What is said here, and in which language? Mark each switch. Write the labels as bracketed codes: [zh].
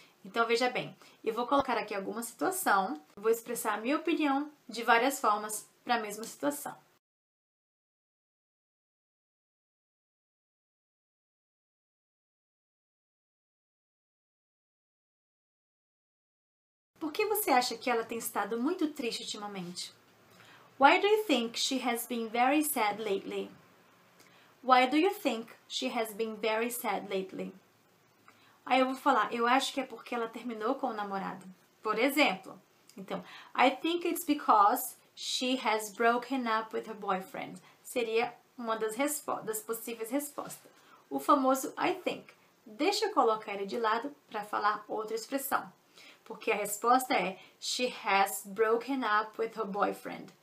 [pt] Então, veja bem, eu vou colocar aqui alguma situação, vou expressar a minha opinião de várias formas para a mesma situação. Por que você acha que ela tem estado muito triste ultimamente? [en] Why do you think she has been very sad lately? Why do you think she has been very sad lately? [pt] Aí eu vou falar, eu acho que é porque ela terminou com o namorado. Por exemplo, então, [en] I think it's because she has broken up with her boyfriend. [pt] Seria uma das possíveis respostas. O famoso I think. Deixa eu colocar ele de lado para falar outra expressão. Porque a resposta é, [en] she has broken up with her boyfriend.